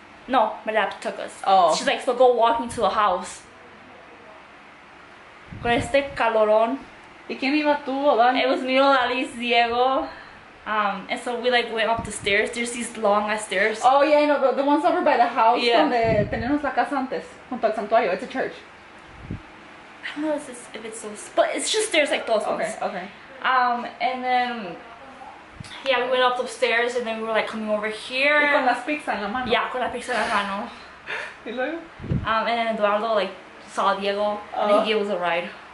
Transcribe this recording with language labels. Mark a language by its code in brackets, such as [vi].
[en] No, my dad took us. Oh. She's like, so go walking to the house. [es] Con este calorón. ¿Y quién iba tú, Dani? [en] It was me, Alice, Diego. And so we like went up the stairs. There's these long stairs. Oh yeah, I know the ones over by the house. Yeah. [es] Donde tenemos la casa antes, junto al santuario. [en] It's a church. I don't know if it's those, but it's just stairs like those ones. Okay. And then yeah, we went up the stairs, and then we were like coming over here. [es] Y con las pizza en la mano. Yeah, con la pizza en la mano. Y luego. [en] And then Eduardo like saw Diego, and he gave us a ride.